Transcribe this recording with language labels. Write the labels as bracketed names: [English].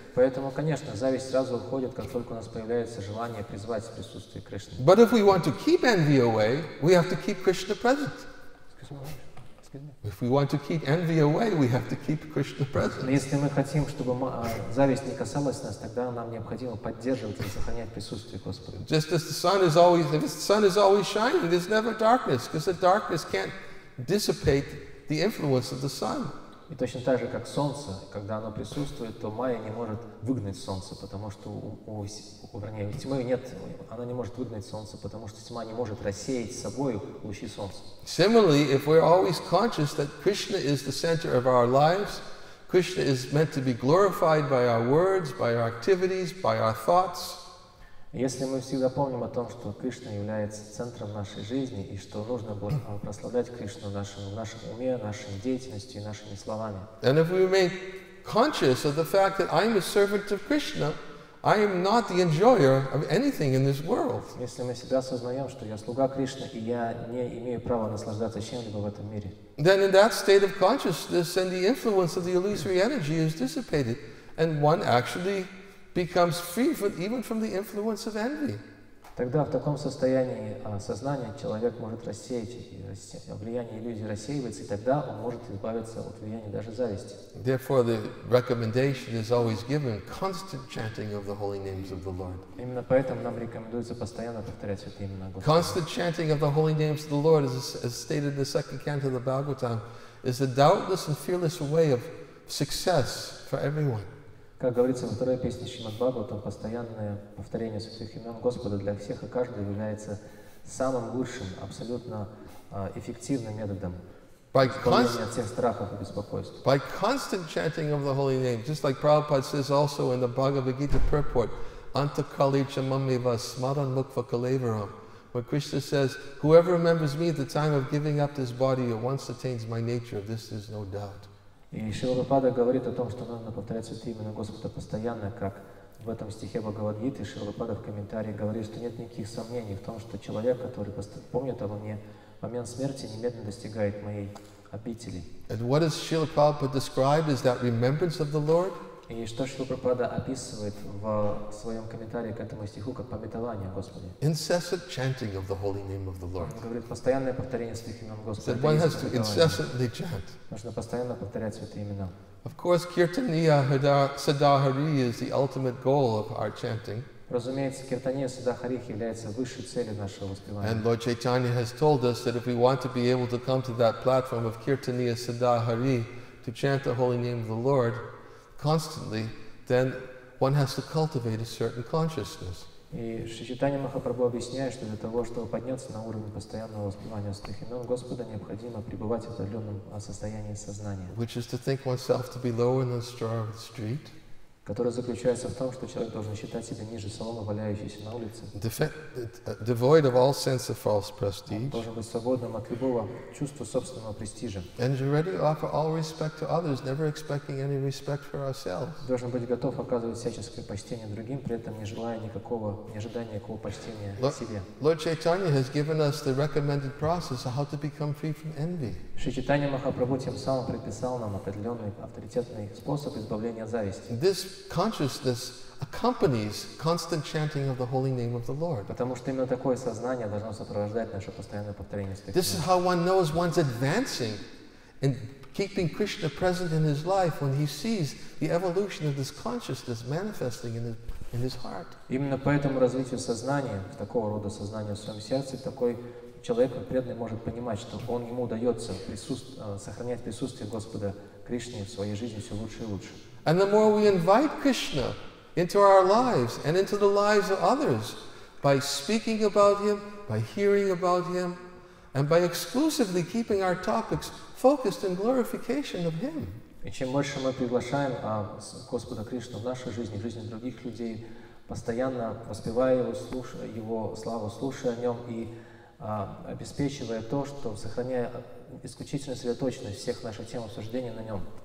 [Russian] Поэтому, конечно, зависть сразу уходит, как только у нас появляется желание призвать присутствие Кришны. [English] But if we want to keep envy away, we have to keep Krishna present. If we want to keep envy away, we have to keep Krishna present. [Russian] Если мы хотим, чтобы зависть не касалась нас, тогда нам необходимо поддерживать и сохранять присутствие Господа. [English] Just as the sun is always, if the sun is always shining, there's never darkness, because the darkness can't dissipate the influence of the sun. [Russian] И точно так же, как солнце, когда оно присутствует, то Майя не может выгнать солнце, потому что она не может выгнать солнце, потому что тьма не может рассеять собою лучи солнца. [English] Similarly, if we're always conscious that Krishna is the center of our lives, Krishna is meant to be glorified by our words, by our activities, by our thoughts. [Russian] Если мы всегда помним о том, что Кришна является центром нашей жизни и что нужно прославлять Кришну в нашем уме, нашей деятельностью и нашими словами. [English] And if we remain conscious of the fact that I am a servant of Krishna, I am not the enjoyer of anything in this world. [Russian] Если мы всегда осознаем, что я слуга Кришны и я не имею права наслаждаться чем-либо в этом мире. [English] Then in that state of consciousness, then the influence of the illusory energy is dissipated, and one actually becomes free even from the influence of envy. [Russian] Тогда в таком состоянии сознания человек может рассеять влияние иллюзии рассеивается, и тогда он может избавиться от влияния даже зависти. [English] Therefore, the recommendation is always given: constant chanting of the holy names of the Lord. [Russian] Именно поэтому нам рекомендуется постоянно повторять святые имена Господа. [English] Constant chanting of the holy names of the Lord, as stated in the second canto of the Bhagavatam, is the doubtless and fearless way of success for everyone. [Russian] Как говорится во второй песне Шримад-Бхагаватам, постоянное повторение святых имен Господа для всех и каждого является самым лучшим, абсолютно эффективным методом избавления от всех страхов и беспокойств. [English] By constant chanting of the holy name, just like Prabhupada says also in the Bhagavad Gita purport, [Sanskrit] Antakali chamamiva smaran mukva kalevaram, [English] where Krishna says, whoever remembers me at the time of giving up this body or once attains my nature, this is no doubt. [Russian] И Шрила Прабхупада говорит о том, что нужно повторять святые имена Господа постоянно, как в этом стихе Бхагавад-гиты. Шрила Прабхупада в комментарии говорит, что нет никаких сомнений в том, что человек, который помнит обо мне в момент смерти, немедленно достигает моей обители. [English] And what does Shrila Prabhupada describe is that remembrance of the Lord? [Russian] И что Шрила Прабхупада описывает в своем комментарии к этому стиху как памятование Господа? [English] Incessant chanting of the holy name of the Lord. [Russian] Он говорит, постоянное повторение святых имен Господа. [English] That one has to incessantly chant. [Russian] Нужно постоянно повторять святые имена. [English] Of course, kirtaniya sadahari is the ultimate goal of our chanting. [Russian] Разумеется, киртания сада-хари является высшей целью нашего воспевания. [English] And Lord Chaitanya has told us that if we want to be able to come to that platform of kirtaniya sada-hari to chant the holy name of the Lord constantly, then one has to cultivate a certain consciousness. [Russian] И Шри Чайтанья Махапрабху объясняет, что для того, чтобы подняться на уровень постоянного воспевания святых имен Господа, необходимо пребывать в определенном состоянии сознания. [English] Which is to think oneself to be lower than the straw of the street. [Russian] которая заключается в том, что человек должен считать себя ниже соломы, валяющейся на улице. [English] Devoid of all sense of false prestige. [Russian] Он должен быть свободным от любого чувства собственного престижа. [English] And ready to offer all respect to others, never expecting any respect for ourselves. [Russian] Должен быть готов оказывать всяческое почтение другим, при этом не желая никакого, не ожидания никакого почтения себе. [English] Lord Chaitanya has given us the recommended process of how to become free from envy. [Russian] Шри Чайтанья Махапрабху тем самым предписал нам определенный авторитетный способ избавления от зависти. [English] This consciousness accompanies constant chanting of the holy name of the Lord. [Russian] Потому что именно такое сознание должно сопровождать наше постоянное повторение святых. [English] This is how one knows one's advancing in keeping Krishna present in his life when he sees the evolution of this consciousness manifesting in his heart. [Russian] Именно поэтому развитие сознания, такого рода сознания в своем сердце, такой человек преданный может понимать, что он ему удается сохранять присутствие Господа Кришны в своей жизни все лучше и лучше. [English] And the more we invite Krishna into our lives and into the lives of others by speaking about Him, by hearing about Him, and by exclusively keeping our topics focused in glorification of Him. [Russian] И чем больше мы приглашаем Господа Кришну в нашу жизнь, в жизнь других людей, постоянно воспевая Его, слушая Его славу, слушая о Нем и обеспечивая то, что сохраняя исключительную сосредоточенность всех наших тем обсуждений на Нем.